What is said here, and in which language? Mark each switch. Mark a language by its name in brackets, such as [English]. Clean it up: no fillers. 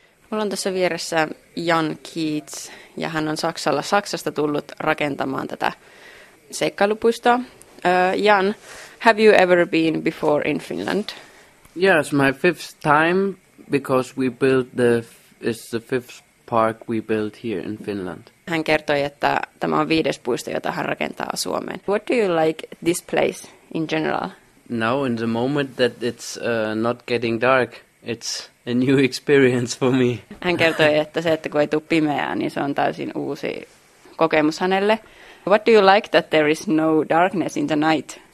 [Finnish] Mulla on tässä vieressä Jan Kietz, ja hän on Saksasta tullut rakentamaan tätä seikkailupuistoa. [English] Jan, have you ever been before in Finland? Yes, my fifth time, because we built it's the fifth park we built here in Finland. [Finnish] Hän kertoi, että tämä on viides puisto, jota hän rakentaa Suomeen. [English] What do you like this place in general? Now, in the moment that it's not getting dark, it's a new experience for me. [Finnish] Hän kertoi, että se, että kun ei tule pimeää, niin se on täysin uusi kokemus hänelle. [English] What do you like that there is no darkness in the night?